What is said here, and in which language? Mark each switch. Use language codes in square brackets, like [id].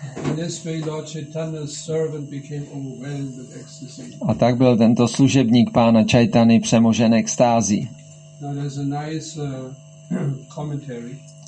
[en] In this way, Lord Chaitanya's servant became overwhelmed with ecstasy. [cs] A tak byl tento služebník pána Chaitany přemožen extází. [en] Now there's a nice commentary.